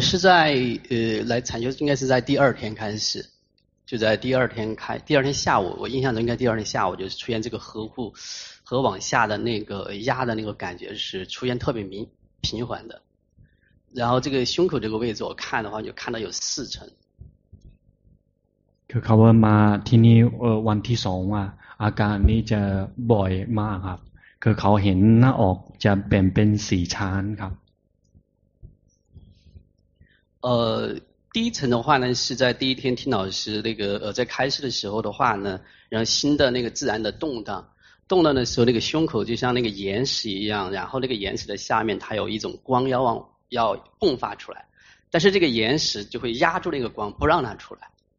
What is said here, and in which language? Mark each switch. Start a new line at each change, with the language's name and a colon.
Chinese: 是在来禅修应该是在第二天开始就在第二天开第二天下午我印象中应该第二天下午就是出现这个呵护和往下的那个压的那个感觉是出现特别频繁的然后这个胸口这个位置我看的话就看到有四层
Thai: คือเขาว่ามาที่นี่วันที่สองอ่ะอาการนี้จะบ่อยมากครับคือเขาเห็นหน้าออกจะเปลี่ยนเป็นสีช้านครับ
Chinese: 低层的话呢是在第一天听老师那个在开示的时候的话呢然后心的那个自然的动荡动荡的时候那个胸口就像那个岩石一样然后那个岩石的下面它有一种光要往要迸发出来但是这个岩石就会压住那个光不让它出来